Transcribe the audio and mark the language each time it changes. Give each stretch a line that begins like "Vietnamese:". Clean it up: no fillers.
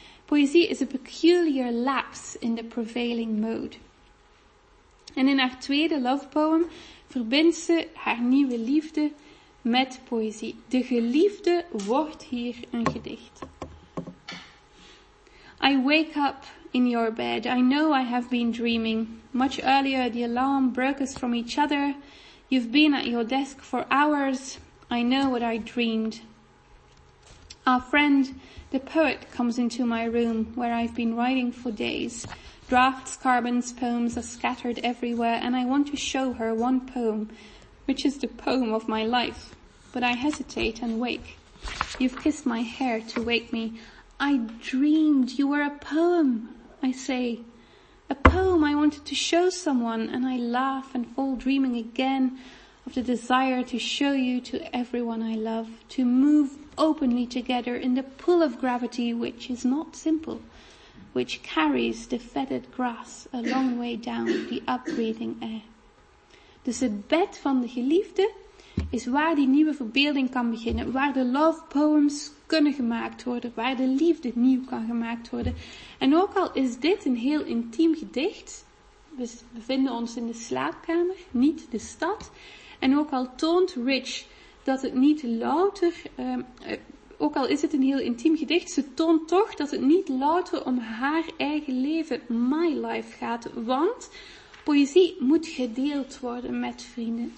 English: Poëzie is a peculiar lapse in the prevailing mode.
Dutch: En in haar tweede love poem verbindt ze haar nieuwe liefde met poëzie. De geliefde wordt hier een gedicht.
English: I wake up in your bed. I know I have been dreaming. Much earlier, the alarm broke us from each other. You've been at your desk for hours. I know what I dreamed. Our friend, the poet, comes into my room where I've been writing for days. Drafts, carbons, poems are scattered everywhere, and I want to show her one poem, which is the poem of my life. But I hesitate and wake. You've kissed my hair to wake me. I dreamed you were a poem, I say. A poem I wanted to show someone, and I laugh and fall dreaming again of the desire to show you to everyone I love, to move openly together in the pull of gravity, which is not simple, which carries the fetid grass a long way down the upbreathing air.
Dutch: Dus het bed van de geliefde is waar die nieuwe verbeelding kan beginnen, waar de love poems kunnen gemaakt worden, waar de liefde nieuw kan gemaakt worden. En ook al is dit een heel intiem gedicht, we bevinden ons in de slaapkamer, niet de stad, en ook al toont Rich dat het niet louter, ook al is het een heel intiem gedicht, ze toont toch dat het niet louter om haar eigen leven,
English: my life,
Dutch: gaat, want poëzie moet gedeeld worden met vrienden.